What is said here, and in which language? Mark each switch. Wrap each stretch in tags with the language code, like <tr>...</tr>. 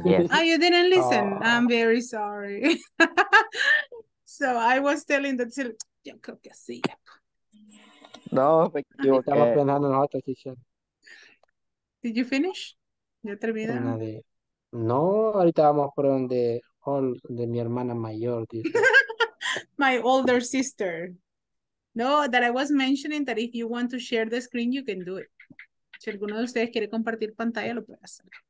<en>Ah, you didn't listen. Oh. I'm very sorry. So I was telling that</en> <es>yo creo que sí. No, yo estaba pensando en otra sesión.</es> <en>Did you finish?</en> <es>¿Ya terminaron? De... No, ahorita vamos por donde hall de mi hermana mayor.</es> <en>My older sister. No, that I was mentioning that if you want to share the screen, you can do it.</en> <es>Si alguno de ustedes quiere compartir pantalla, lo puede hacer.</es>